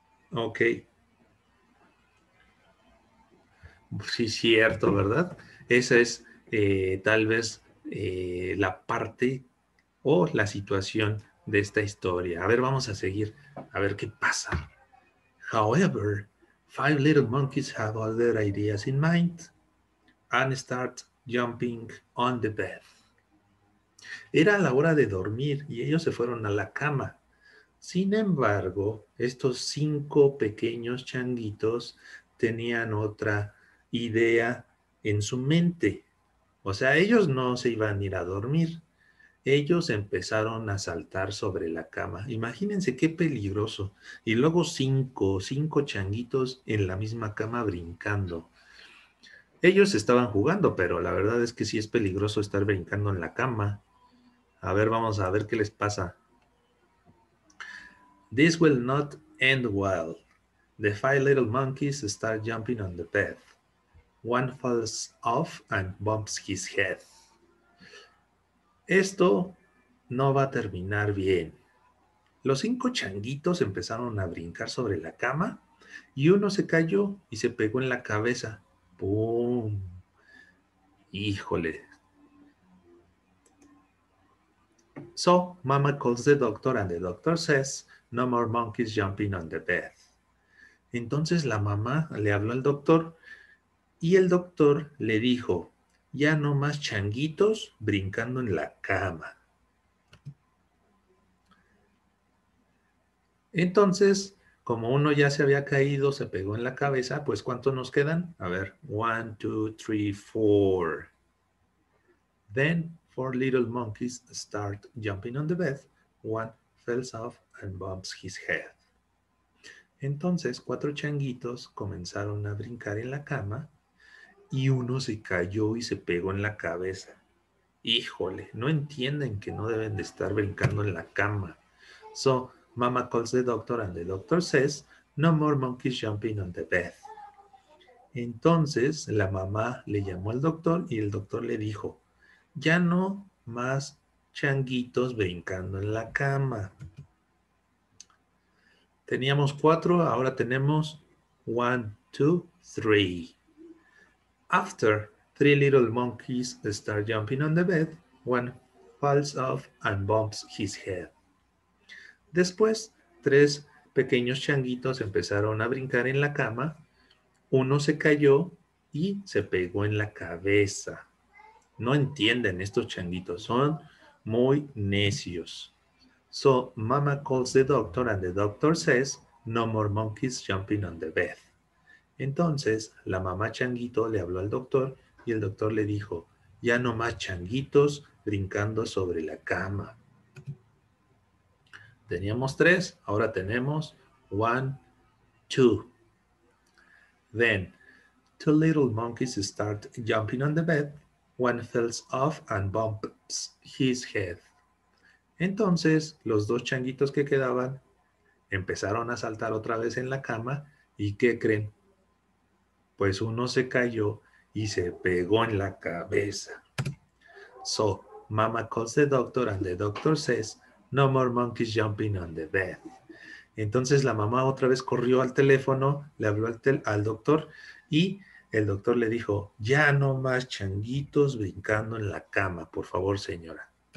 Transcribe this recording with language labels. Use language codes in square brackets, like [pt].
[es] Ok. Sí, cierto, ¿verdad? Esa es tal vez la parte o la situación de esta historia. A ver, vamos a seguir. A ver qué pasa. [en] However, 5 little monkeys have other ideas in mind and start jumping on the bed. [es] Era la hora de dormir y ellos se fueron a la cama. Sin embargo, estos 5 pequeños changuitos tenían otra idea en su mente. O sea, ellos no se iban a ir a dormir. Ellos empezaron a saltar sobre la cama. Imagínense qué peligroso. Y luego 5 changuitos en la misma cama brincando. Ellos estaban jugando, pero la verdad es que sí es peligroso estar brincando en la cama. A ver, vamos a ver qué les pasa. [en] This will not end well. The 5 little monkeys start jumping on the bed. One falls off and bumps his head. [es] Esto no va a terminar bien. Los 5 changuitos empezaron a brincar sobre la cama y uno se cayó y se pegó en la cabeza. ¡Pum! ¡Híjole! [en] So, mama calls the doctor and the doctor says, no more monkeys jumping on the bed. [es] Entonces la mamá le habló al doctor y el doctor le dijo, ya no más changuitos brincando en la cama. Entonces, como uno ya se había caído, se pegó en la cabeza, pues ¿cuántos nos quedan? A ver, 1, 2, 3, 4. [en] Then 4 little monkeys start jumping on the bed. One falls off and bumps his head. [es] Entonces, 4 changuitos comenzaron a brincar en la cama y uno se cayó y se pegó en la cabeza. Híjole, no entienden que no deben de estar brincando en la cama. [en] So, mama calls the doctor and the doctor says, no more monkeys jumping on the bed. [es] Entonces, la mamá le llamó al doctor y el doctor le dijo, ya no más changuitos brincando en la cama. Teníamos 4, ahora tenemos 1, 2, 3. [en] After 3 little monkeys start jumping on the bed, one falls off and bumps his head. [es] Después, 3 pequeños changuitos empezaron a brincar en la cama. Uno se cayó y se pegó en la cabeza. No entienden estos changuitos, son muy necios. [en] So, mama calls the doctor and the doctor says, no more monkeys jumping on the bed. [es] Entonces, la mamá changuito le habló al doctor y el doctor le dijo, ya no más changuitos brincando sobre la cama. Teníamos tres, ahora tenemos [en] one, two. Then, two little monkeys start jumping on the bed. One falls off and bumps his head. [es] Entonces, los dos changuitos que quedaban empezaron a saltar otra vez en la cama. ¿Y qué creen? Pues uno se cayó y se pegó en la cabeza. [en] So, mama calls the doctor and the doctor says, no more monkeys jumping on the bed. [es] Entonces, la mamá otra vez corrió al teléfono, le habló al doctor y el doctor le dijo, ya no más changuitos brincando en la cama, por favor, señora.